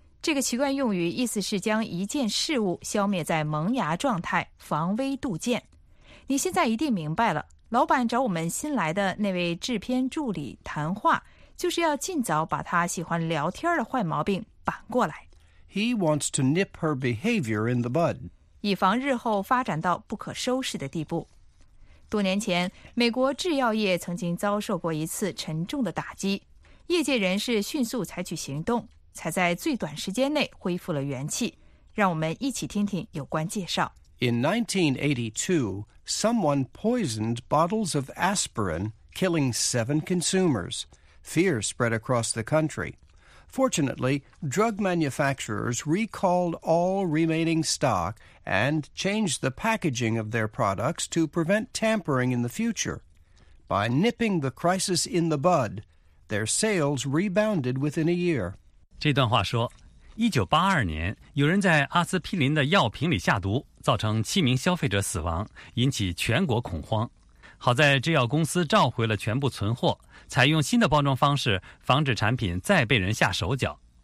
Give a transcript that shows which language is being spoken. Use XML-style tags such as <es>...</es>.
<zh>这个习惯用语意思是将一件事物消灭在萌芽状态，防微杜渐。你现在一定明白了，老板找我们新来的那位制片助理谈话，就是要尽早把他喜欢聊天的坏毛病扳过来。</zh> <en>He wants to nip her behavior in the bud.</en> <zh>以防日后发展到不可收拾的地步。多年前，美国制药业曾经遭受过一次沉重的打击。业界人士迅速采取行动，才在最短时间内恢复了元气。让我们一起听听有关介绍。</zh> <en>In 1982, someone poisoned bottles of aspirin, killing 7 consumers. Fear spread across the country. Fortunately, drug manufacturers recalled all remaining stock and changed the packaging of their products to prevent tampering in the future. By nipping the crisis in the bud,Their sales rebounded within a year.</en> <zh>这段话说，1982年，有人在阿司匹林的药品里下毒，造成七名消费者死亡，引起全国恐慌。好在制药公司召回了全部存货，采用新的包装方式，防止产品再被人下手脚。</zh>